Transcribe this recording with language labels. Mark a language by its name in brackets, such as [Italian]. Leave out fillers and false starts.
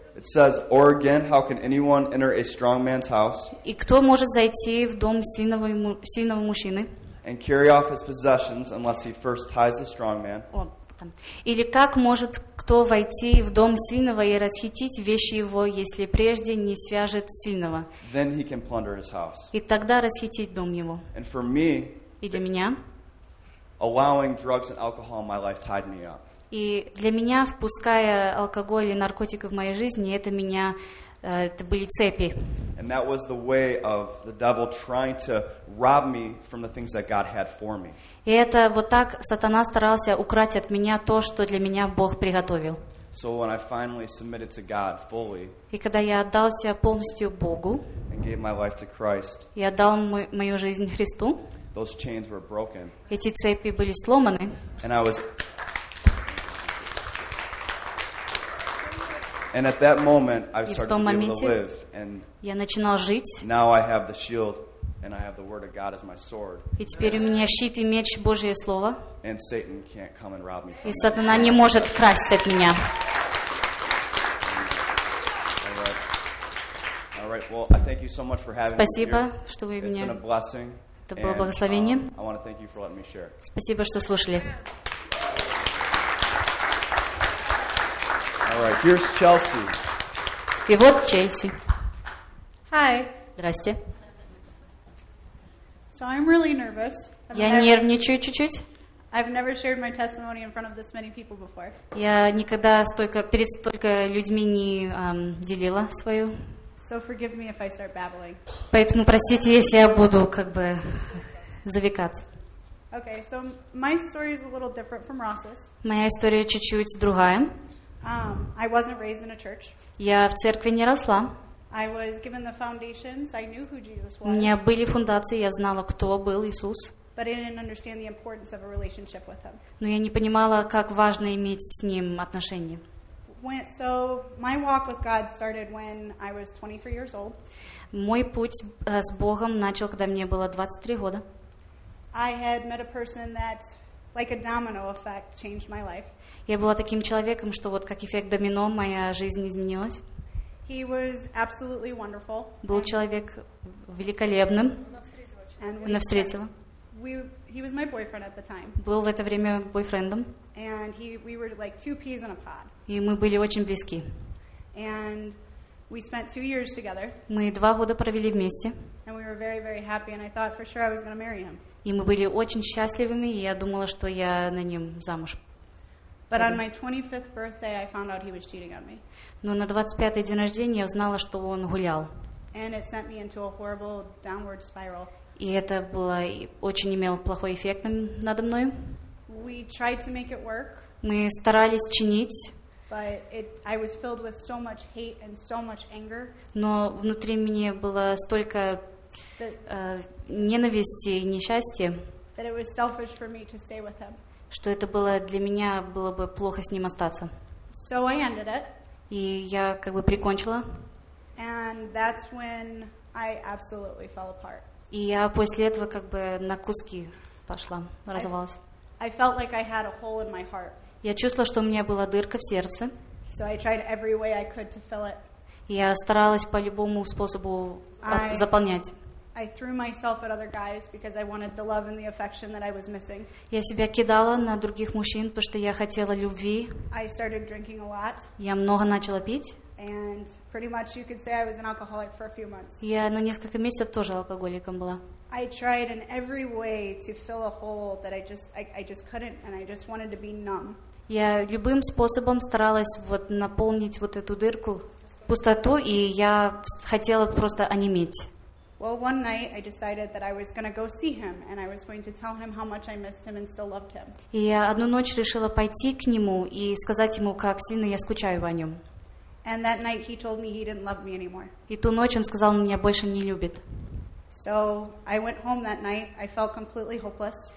[English] It says, or again, how can anyone enter a strong man's house? [Russian] И кто может зайти в дом сильного мужчины? [English] And carry off his possessions unless he first ties the strong man. [Russian] Или как может кто войти в дом сильного и расхитить вещи его, если прежде не свяжет сильного? [English] Then he can plunder his house. [Russian] И тогда расхитить дом его. [English] And for me, [Russian] и для меня. [English] Allowing drugs and alcohol in my life tied me up. [Russian] И для меня, впуская алкоголь и наркотики в мою жизнь, это меня, это были цепи. [English] And that was the way of the devil trying to rob me from the things that God had for me. [Russian] И это вот так сатана старался украсть от меня то, что для меня Бог приготовил. [English] So when I finally submitted to God fully, [Russian] и когда я отдался полностью Богу, [English] and gave my life to Christ, [Russian] и отдал мою жизнь Христу, [English] those chains were broken. [Russian] Эти цепи были сломаны. [English] And at that moment, I started to be able to live. And [Russian] я начинал жить. [English] Now I have the shield, and I have the word of God as my sword. [Russian] И теперь у меня щит и меч Божье слово. [English] And Satan can't come and rob me from [Russian] it. И сатана не может красть от меня. [English] All right. Well, I thank you so much for having [Russian] спасибо, [English] me here. [Russian] Что вы [English] It's [Russian] меня [English] been a blessing. [Russian] Это было благословение. [English] I want to thank you for letting me share. [Russian] Спасибо, что слушали. [English] All right, here's Chelsea. [Russian] И вот Челси. [English] Hi. [Russian] Здрасте. [English] So I'm really nervous. [Russian] Я нервничаю чуть-чуть. [English] I've never shared my testimony in front of this many people before. [Russian] Я никогда перед столько людьми не делила свою. [English] So forgive me if I start babbling. [Russian] Поэтому простите, если я буду как бы завикаться. [English] Okay, so my story is a little different from Ross's. [Russian] Моя история чуть-чуть другая. [English] I wasn't raised in a church. Я в церкви не росла. I was given the foundations. I knew who Jesus was. [Russian] У меня были фундации, я знала, кто был Иисус. [English] But I didn't understand the importance of a relationship with him. [Russian] Но я не понимала, как важно иметь с ним отношения. [English] So my walk with God started when I was 23 years old. [Russian] Мой путь с Богом начал, когда мне было 23 года. [English] I had met a person that, like a domino effect, changed my life. [Russian] Я была таким человеком, что вот как эффект домино моя жизнь изменилась. [English] He was absolutely wonderful. [Russian] Был человек великолепным. Она встретила. [English] He was my boyfriend at the time. [Russian] Был в это время бойфрендом. [English] And we were like two peas in a pod. [Russian] И мы были очень близки. [English] And we spent 2 years together. [Russian] Мы 2 года провели вместе. [English] And we were very, very happy, and I thought for sure I was going to marry him. [Russian] И мы были очень счастливыми, и я думала, что я на нем замуж. [English] But on my 25th birthday, I found out he was cheating on me. [Russian] Но на 25-й день рождения я узнала, что он гулял. [English] And it sent me into a horrible downward spiral. [Russian] И это было очень имело плохой эффект надо мной. [English] We tried to make it work. [Russian] Мы старались чинить. [English] But it, I was filled with so much hate and so much anger. [Russian] Но внутри меня было столько ненависти и несчастья. [English] That it was selfish for me to stay with him. [Russian] Что это было для меня было бы плохо с ним остаться. [English] So I ended it. [Russian] И я как бы прикончила. [English] And that's when I absolutely fell apart. [Russian] И я после этого как бы на куски пошла, разорвалась. [English] I felt like I had a hole in my heart. [Russian] Я чувствовала, что у меня была дырка в сердце. [English] So I tried every way I could to fill it. [Russian] Я старалась по любому способу заполнять. [English] I threw myself at other guys because I wanted the love and the affection that I was missing. [Russian] Я себя кидала на других мужчин, потому что я хотела любви. [English] I started drinking a lot. [Russian] Я много начала пить. [English] And pretty much you could say I was an alcoholic for a few months. [Russian] Я на несколько месяцев тоже алкоголиком была. [English] I tried in every way to fill a hole that I just couldn't, and I just wanted to be numb. [Russian] Я любым способом старалась вот наполнить вот эту дырку, пустоту, и я хотела просто онеметь. [English] Well, one night I decided that I was going to go see him, and I was going to tell him how much I missed him and still loved him. [Russian] И я одну ночь решила пойти к нему и сказать ему, как сильно я скучаю о нем. [English] And that night he told me he didn't love me anymore. [Russian] И ту ночь он сказал, меня больше не любит. [English] So I went home that night. I felt completely hopeless.